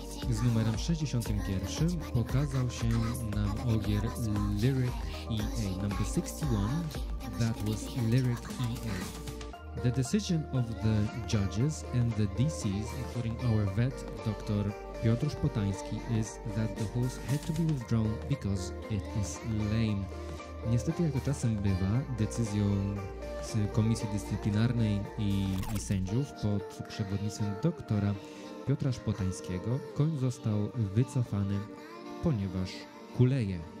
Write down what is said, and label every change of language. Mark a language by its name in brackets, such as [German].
[Polish] Z numerem 61 pokazał się nam ogier Lyric EA. [English] Number 61, that was Lyric EA. The decision of the judges and the DCs, including our vet, Dr. Piotr Potański, is that the horse had to be withdrawn because it is lame. [Polish] Niestety, jak to czasem bywa, decyzją z komisji dyscyplinarnej i sędziów pod przewodnictwem doktora Piotra Szpotańskiego koń został wycofany, ponieważ kuleje.